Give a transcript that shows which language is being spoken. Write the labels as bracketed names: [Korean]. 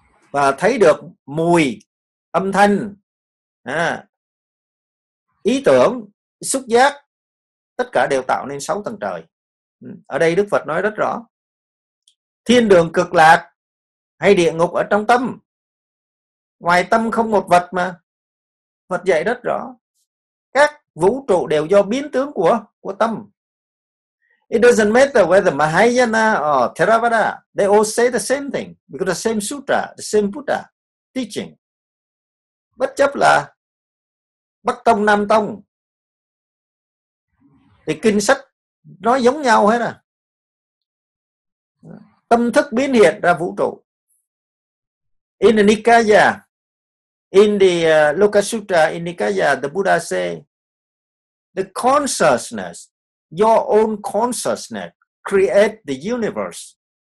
[Vietnamese] Và thấy được mùi, âm thanh, ý tưởng, xúc giác, tất cả đều tạo nên 6 tầng trời. Ở đây Đức Phật nói rất rõ. Thiên đường cực lạc hay địa ngục ở trong tâm. Ngoài tâm không một vật mà. Phật dạy rất rõ. Các vũ trụ đều do biến tướng của tâm. [English] It doesn't matter whether Mahayana or Theravada, they all say the same thing, because the same sutra, the same Buddha teaching. [Vietnamese] Bất chấp là Bắc Tông, Nam Tông, thì kinh sách nói giống nhau hết à. Tâm thức biến hiện ra vũ trụ. [English] In the Nikaya, in the Loka Sutra, in Nikaya, the Buddha say, the consciousness, your own consciousness create the universe.